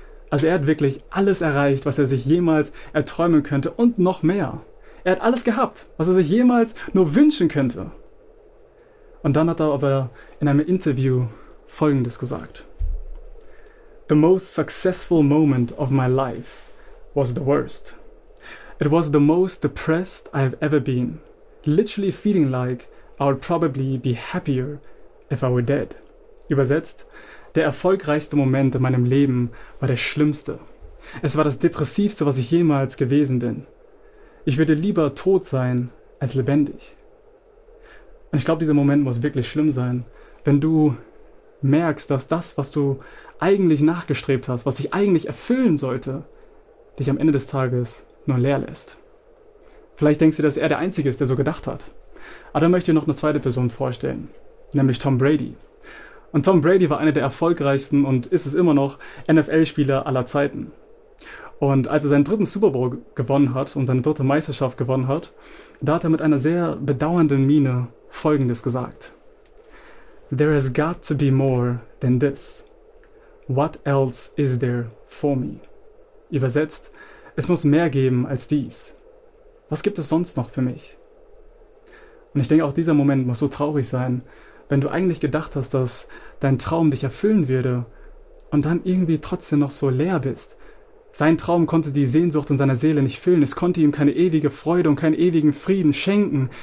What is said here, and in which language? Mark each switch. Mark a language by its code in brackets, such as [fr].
[de] Also er hat wirklich alles erreicht, was er sich jemals erträumen könnte und noch mehr. Er hat alles gehabt, was er sich jemals nur wünschen könnte. Und dann hat er aber in einem Interview Folgendes gesagt: [en] "The most successful moment of my life was the worst. It was the most depressed I have ever been. Literally feeling like I would probably be happier if I were dead." [de] Übersetzt: Der erfolgreichste Moment in meinem Leben war der schlimmste. Es war das depressivste, was ich jemals gewesen bin. Ich würde lieber tot sein als lebendig. Und ich glaube, dieser Moment muss wirklich schlimm sein, wenn du merkst, dass das, was du eigentlich nachgestrebt hast, was dich eigentlich erfüllen sollte, dich am Ende des Tages nur leer lässt. Vielleicht denkst du, dass er der Einzige ist, der so gedacht hat. Aber dann möchte ich noch eine zweite Person vorstellen, nämlich Tom Brady. Und Tom Brady war einer der erfolgreichsten und ist es immer noch NFL-Spieler aller Zeiten. Und als er seinen dritten Super Bowl gewonnen hat und seine dritte Meisterschaft gewonnen hat, da hat er mit einer sehr bedauernden Miene Folgendes gesagt: [en] "There has got to be more than this. What else is there for me?" [de] Übersetzt: Es muss mehr geben als dies. Was gibt es sonst noch für mich? Und ich denke, auch dieser Moment muss so traurig sein, wenn du eigentlich gedacht hast, dass dein Traum dich erfüllen würde und dann irgendwie trotzdem noch so leer bist. Sein Traum konnte die Sehnsucht in seiner Seele nicht füllen. Es konnte ihm keine ewige Freude und keinen ewigen Frieden schenken.